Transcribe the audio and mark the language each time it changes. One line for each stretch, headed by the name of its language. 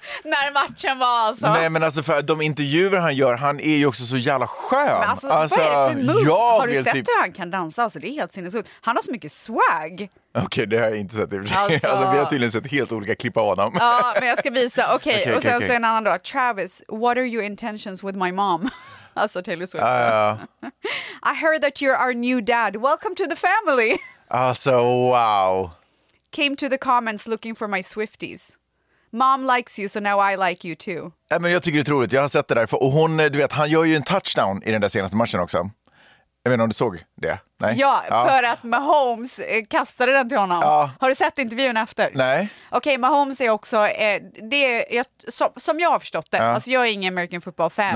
Swedish: När matchen var alltså. Nej, men alltså för de intervjuer han gör, han är ju också så jävla skön. Men alltså, vad är det för mus? Har du sett typ... hur han kan dansa? Alltså, det är helt sinnessjukt. Han har så mycket swag. Okej, det har jag inte sett i och för sig. Alltså, vi har tydligen sett helt olika klipp av honom. Ja, men jag ska visa. Okej, okay, och sen så en annan då.
English: Travis, what are your intentions with my mom? Alltså Taylor Swift. I heard that you're our new dad. Welcome to the family.
Swedish: Alltså, wow.
English: Came to the comments looking for my Swifties. Mom likes you, so now I like you too.
Swedish: Ja, men jag tycker det är otroligt. Jag har sett det där. Och hon, du vet, han gör ju en touchdown i den där senaste matchen också. Jag vet inte om du såg det. Nej? Ja, för att Mahomes kastade den till honom. Ja. Har du sett intervjun efter? Nej. Okej, Mahomes är också... det är, som jag har förstått det. Ja. Alltså, jag är ingen American football-fan.